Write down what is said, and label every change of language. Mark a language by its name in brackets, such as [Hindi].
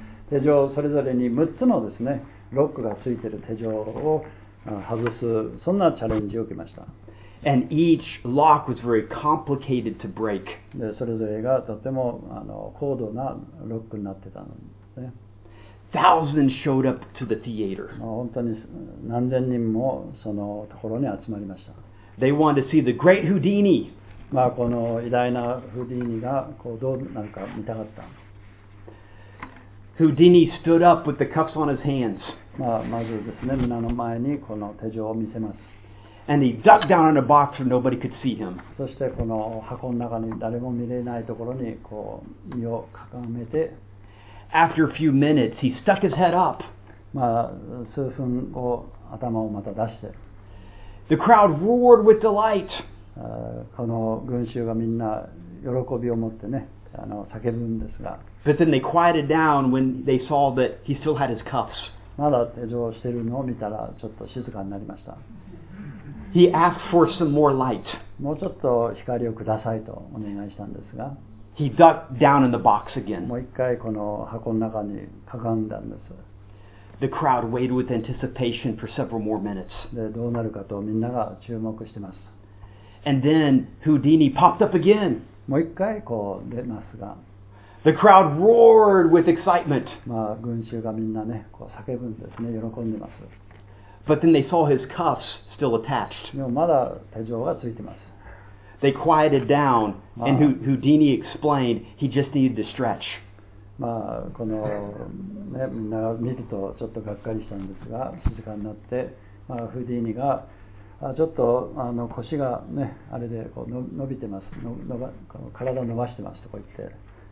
[Japanese] 手錠それぞれに6つのですね、ロックがついている手錠を外す、そんなチャレンジを受けました。 [English] And each lock was very complicated to break. [Japanese] でそれぞれがとても高度なロックになってたんですね。 [English] Thousands showed up to the theater. [Japanese] 本当に何千人もそのところに集まりました。 [English] They wanted to see the great Houdini. [Japanese] まあこの偉大なフーディーニがこうどうなるか見たかった。 [English] Houdini stood up with the cuffs on his hands. [Japanese] まあまずですね、皆の前にこの手錠を見せます。 [English] And he ducked down in a box where nobody could see him. [Japanese] そしてこの箱の中に誰も見れないところにこう身をかがめて。 [English] After a few minutes, he stuck his head up. [Japanese] まあ数分後、頭をまた出して。 [English] The crowd roared with delight. [Japanese] この群衆がみんな喜びを持ってね、叫ぶんですが。 [English] But then they quieted down when they saw that he still had his cuffs. [Japanese] まだ手錠してるのを見たらちょっと静かになりました。 [English] He asked for some more light. [Japanese] もうちょっと光をくださいとお願いしたんですが。 [English] He ducked down in the box again. [Japanese] もう一回この箱の中にかがんだんです。 [English] The crowd waited with anticipation for several more minutes. [Japanese] でどうなるかとみんなが注目してます。 [English] And then Houdini popped up again. [Japanese] もう一回こう出ますが。 [English] The crowd roared with excitement. [Japanese] まあ群衆がみんなね、こう叫ぶんですね、喜んでます。 [English] But then they saw his cuffs still attached. [Japanese] でもまだ手錠がついてます。 [English] They quieted down, and Houdini explained he just needed to stretch. [Japanese] まあこのね、みんなが見るとちょっとがっかりしたんですが、静かになって、まあフーディーニがちょっと腰がね、あれでこう伸びてます、体を伸ばしてますとこう言って。